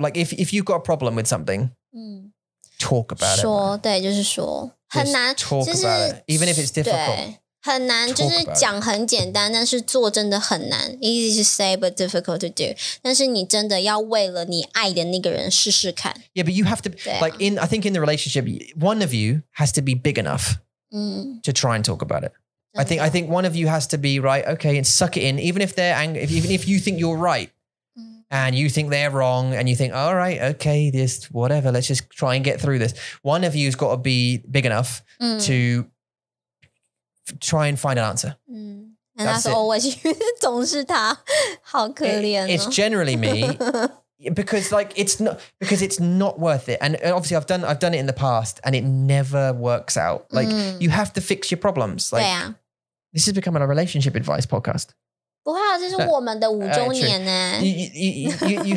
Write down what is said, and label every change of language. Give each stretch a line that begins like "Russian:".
English: Like if you've got a problem with something, talk about it.
Chinese: 说，对，就是说，很难，就是
English: even if it's difficult.
Chinese: 很难，就是讲很简单，但是做真的很难.
English: Easy to say, but difficult to do.
Chinese: 但是你真的要为了你爱的那个人试试看.
English: Yeah, but you have to like in. I think in the relationship, one of you has to be big enough to try and talk about it. I think one of you has to be right. Okay, and suck it in, even if they're angry. Even if you think you're right. And you think they're wrong and you think, all right, okay, this, whatever, let's just try and get through this. One of you's got to be big enough to try and find an answer. And that's always you,
Chinese: 总是他,好可怜哦.
English: It's generally me because like, it's not worth it. And obviously I've done it in the past and it never works out. Like you have to fix your problems. Like this has become a relationship advice podcast.
Chinese: 不会啊，这是我们的五周年呢。You